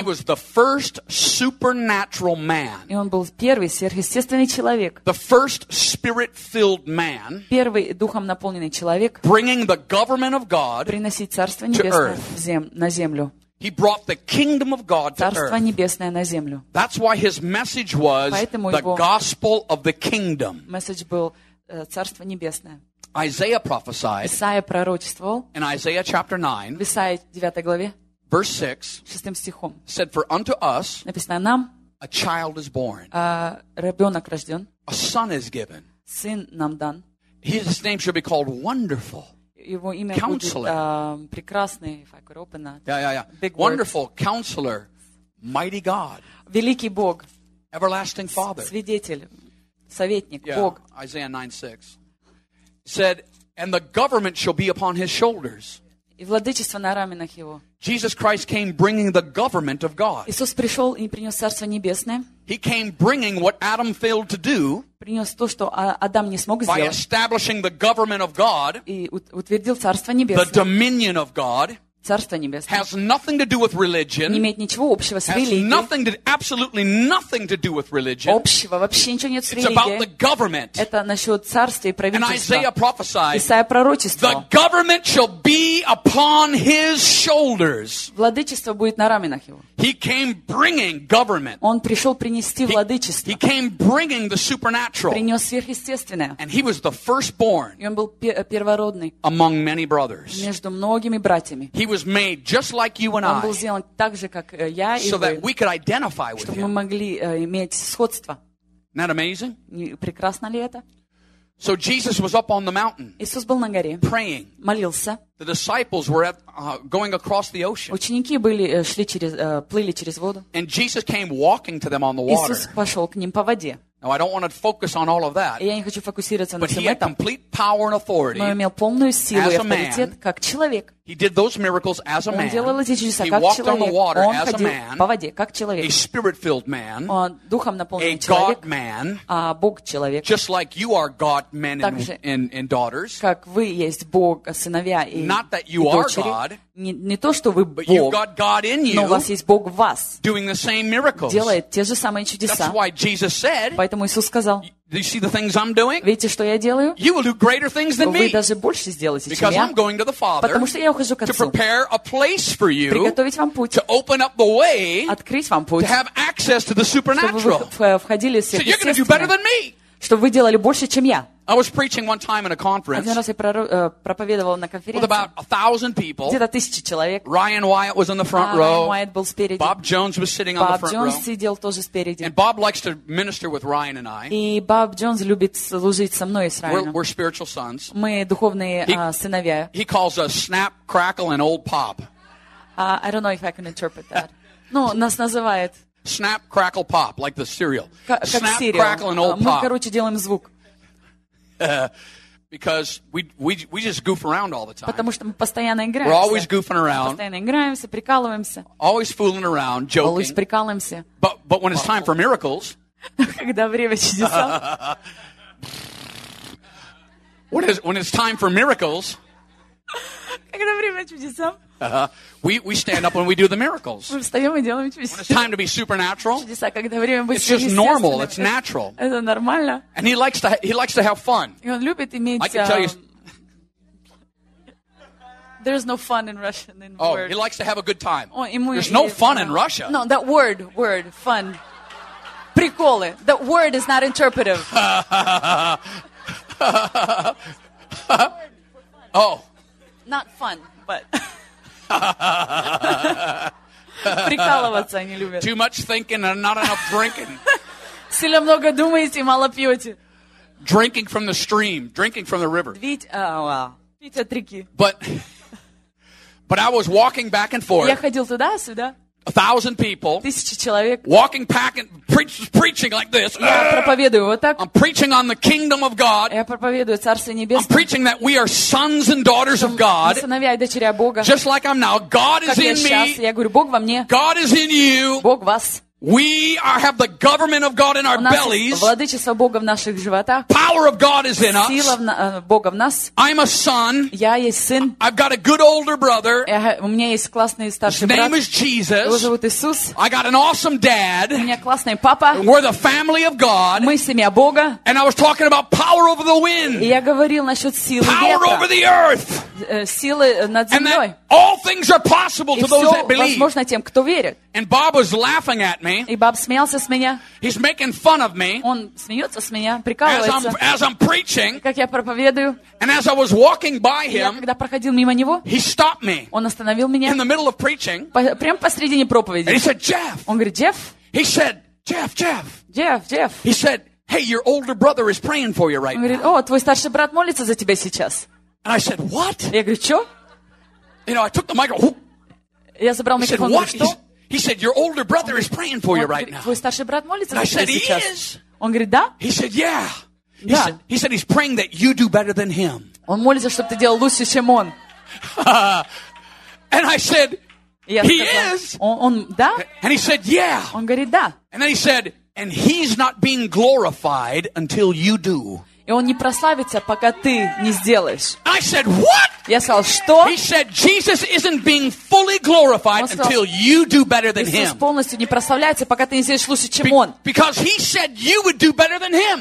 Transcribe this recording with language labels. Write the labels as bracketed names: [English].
[English] And he was the first supernatural man. [Russian] И он был первый сверхъестественный человек. [English] The first spirit-filled man. [Russian] Первый духом наполненный человек. [English] Bringing the government of God [Russian] приносить Царство Небесное на землю. [English] He brought the kingdom of God to earth. [Russian] Царство небесное на землю. [English] That's why his message was the gospel of the kingdom. [Russian] Message был Царство небесное. [English] Isaiah prophesied. [Russian] Исаия пророчествовал. [English] In Isaiah chapter 9. [Russian] В Исаии 9 главе. [English] Verse 6. [Russian] Шестым стихом. [English] Said for unto us. [Russian] Написано нам. [English] A child is born. [Russian] Ребенок рожден. [English] A son is given. [Russian] Сын нам дан. [English] His name shall be called Wonderful. [Russian] Его имя Counselor. Будет прекрасный, [English] if I could open that. Yeah. Big Wonderful words. Counselor, Mighty God. [Russian] Великий Бог. [English] Everlasting Father. [Russian] Свидетель, советник, Бог. [English] Isaiah 9:6 said, and the government shall be upon his shoulders. [Russian] И владычество на раменах его. [English] Jesus Christ came bringing the government of God. [Russian] Иисус пришел и принес царство небесное. [English] He came bringing what Adam failed to do. [Russian] Принес то, что Адам не смог сделать. [English] By establishing the government of God. [Russian] И утвердил царство небесное. [English] The dominion of God. [Russian] Царство небесное. [English] Has nothing to do with religion. [Russian] Не имеет ничего общего с религией. [English] Has nothing to, absolutely nothing to do with religion. [Russian] Общего вообще ничего нет с религией. [English] It's about the government. [Russian] Это насчет царства и правительства. [English] And Isaiah prophesied. [Russian] Исаия пророчествовал. [English] The government shall be upon his shoulders. [Russian] Владычество будет на раменах его. [English] He came bringing government. [Russian] Он пришел принести владычество. [English] He came bringing the supernatural. [Russian] Принес сверхъестественное. [English] And he was the firstborn. [Russian] И он был первородный. [English] Among many brothers. [Russian] Между многими братьями. [English] He was made just like you and [Russian] Он [English] I. [Russian] Был сделан так же, как я и [English] so [Russian] вы. [English] So that we could identify with him. [Russian] Чтобы мы могли иметь сходство. [English] Isn't that amazing? [Russian] Прекрасно ли это? [English] So Jesus was up on the mountain. [Russian] Иисус был на горе. [English] Praying. [Russian] Молился. [English] The disciples were at, going across the ocean. [Russian] Ученики были шли через плыли через воду. [English] And Jesus came walking to them on the water. [Russian] Иисус пошел к ним по воде. [English] Now I don't want to focus on all of that. [Russian] Я не хочу фокусироваться на всем этом. [English] But he had complete power and authority. [Russian] Но имел полную силу и авторитет как человек. [English] He did those miracles as a man. [Russian] Он делал эти чудеса как человек. [English] He walked on the water [Russian] он [English] as [Russian] ходил [English] a man. [Russian] По воде как человек. [English] A spirit-filled man. [Russian] Он духом наполненный [English] a [Russian] человек. [English] A God man. [Russian] А Бог человек. [English] Just like you are God men and daughters. [Russian] Как вы есть Бог сыновья и дочери. [English] Not that you are God. [Russian] Не то, что вы Бог, [English] but you've got God in you, [Russian] но у вас есть Бог в вас, [English] doing the same miracles. [Russian] Делает те же самые чудеса. [English] That's why Jesus said. [Russian] Поэтому Иисус сказал. [English] Do you see the things I'm doing? [Russian] Видите, что я делаю? [English] You will do greater things than me. [Russian] Вы даже больше сделаете, чем я. [English] Because I'm going to the Father. [Russian] Потому что я ухожу к Отцу. [English] To prepare a place for you. [Russian] Приготовить вам путь. [English] To open up the way. [Russian] Открыть вам путь. [English] To have access to the supernatural. [Russian] Чтобы вы входили в сверхъестественное. [English] So you're going to do better than me. [Russian] Чтобы вы делали больше, чем я. [English] I was preaching one time in a conference. [Russian] Один раз я проповедовал на конференции. [English] With about 1,000 people. [Russian] Где-то 1,000 человек. [English] Ryan Wyatt was in the front row. [Russian] Ryan Wyatt был спереди. [English] Bob Jones was sitting on the front Jones row. [Russian] Bob Jones сидел тоже спереди. [English] And Bob likes to minister with Ryan and I. [Russian] И Bob Jones любит служить со мной и с Райаном. [English] We're spiritual sons. [Russian] Мы духовные сыновья. [English] He calls us Snap, Crackle, and Old Pop. I don't know if I can interpret that. [Russian] Ну, нас называют. [English] Snap, Crackle, Pop, like the cereal. [Russian] Как [English] Snap, Crackle, and Old Pop. [Russian] Мы, короче, делаем звук. [English] Because we just goof around all the time. [Russian] Потому что мы постоянно играем. [English] We're always goofing around. [Russian] Постоянно играемся, прикалываемся. [English] Always fooling around, joking. Always [Russian] прикалываемся. [English] But when it's time for miracles. [Russian] Когда время чудеса. [English] When it's time for miracles. [Russian] Когда время чудеса. [English] We stand up when we do the miracles. [Russian] Мы встаем и делаем чудеса. [English] When it's time to be supernatural. [Russian] Чудеса, когда время быть. [English] It's just normal. It's natural. [Russian] Это нормально. [English] And he likes to have fun. [Russian] И он любит иметь. [English] I can tell you. There's no fun in Russian. In oh, word. He likes to have a good time. [Russian] О, ему, [English] there's no fun in Russia. No, that word fun. [Russian] Приколы. [English] That word is not interpretive. Oh. Not fun, but. [Russian] Прикалываться они любят. [English] Too much thinking and not enough drinking. [Russian] Сильно много думаете и мало пьете. [English] Drinking from the stream, drinking from the river. [Russian] Пить от реки. [English] But I was walking back and forth. [Russian] Я ходил туда-сюда. [English] 1,000 people. [Russian] Тысячи человек. [English] Walking back and preaching like this. [Russian] Я проповедую вот так. [English] I'm preaching on the kingdom of God. [Russian] Я проповедую Царство Небесное. [English] I'm preaching that we are sons and daughters of God. [Russian] Мы сыновья и дочери Бога. [English] Just like I'm now. God is in me. [Russian] Как я сейчас. Я говорю, Бог во мне. [English] God is in you. [Russian] Бог в вас. [English] We have the government of God in our bellies. [Russian] Владычество Бога в наших животах. [English] Power of God is in us. [Russian] Сила Бога в нас. [English] I'm a son. [Russian] Я есть сын. [English] I've got a good older brother. [Russian] У меня есть классный старший брат. [English] His name is Jesus. [Russian] Его зовут Иисус. [English] I got an awesome dad. [Russian] У меня классный папа. [English] We're the family of God. [Russian] Мы семья Бога. [English] And I was talking about power over the wind. [Russian] Я говорил насчет силы ветра. [English] Power over the earth. [Russian] Силы над землей. [English] All things are possible to those that believe. [Russian] И все возможно тем, кто верит. [English] And Bob was laughing at me. [Russian] И Боб смеялся с меня. [English] He's making fun of me. [Russian] Он смеется с меня, прикалывается. [English] As I'm preaching. [Russian] Как я проповедую. [English] And as I was walking by him. [Russian] Я когда проходил мимо него. [English] He stopped me. [Russian] Он остановил меня. [English] In the middle of preaching. [Russian] Прямо посредине проповеди. [English] And he said, Jeff. [Russian] Он говорит, Джефф. [English] He said, Jeff. He said, "Hey, your older brother is praying for you right now." [Russian] Он говорит: "О, твой старший брат молится за тебя сейчас." [English] And I said, "What?" [Russian] Я говорю: "Что?" [English] You know, I took the microphone. [Russian] Я забрал микрофон. [English] He said, "What?" He said, "Your older brother is praying for you right now." [Russian] Твой старший брат молится за тебя сейчас. [English] And I said, "He is." [Russian] Он говорит: "Да?" [English] He said, "Yeah." He said he's praying that you do better than him. [Russian] Он молится, чтобы ты делал лучше, чем он. [English] And I said, "He is." [Russian] Он да? [English] And he said, "Yeah." [Russian] Он говорит: "Да." [English] And then he said, "And he's not being glorified until you do." [Russian] И он не прославится, пока ты не сделаешь. [English] I said, "What?" [Russian] Я сказал: "Что?" [English] He said, "Jesus isn't being fully glorified until you do better than him." [Russian] Иисус полностью не прославляется, пока ты не сделаешь лучше, чем он. [English] Because he said you would do better than him.